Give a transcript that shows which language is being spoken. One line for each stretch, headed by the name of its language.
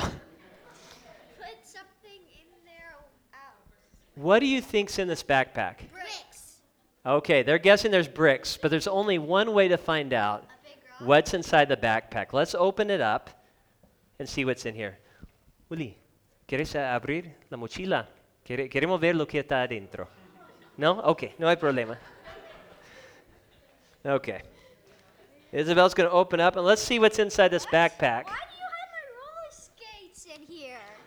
English: Put something in there out. What do you think's in this backpack? Brick. Okay, they're guessing there's bricks, but there's only one way to find out what's inside the backpack. Let's open it up and see what's in here.
Spanish: Willy, ¿quieres abrir la mochila? ¿Queremos ver lo que está adentro? No? Okay, no hay problema.
English: Okay. Isabel's going to open up, and let's see what's inside this backpack. Why do you have my roller skates in here?